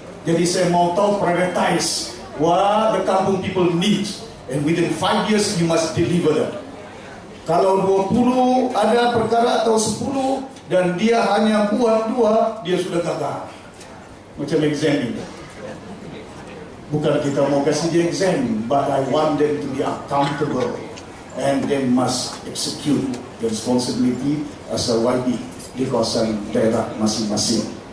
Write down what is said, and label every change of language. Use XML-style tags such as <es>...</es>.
<ms>Jadi saya mau tahu</ms> <en>prioritize what the kampung people need, and within 5 years you must deliver that.</en> <ms>Kalau 20 ada perkara atau 10 dan dia hanya buat 2, dia sudah gagal. Macam exam ini. Bukan kita mau kasih dia exam,</ms> <en>but I want them to be accountable and they must execute the responsibility as a YB</en> <ms>di kawasan daerah masing-masing.</ms>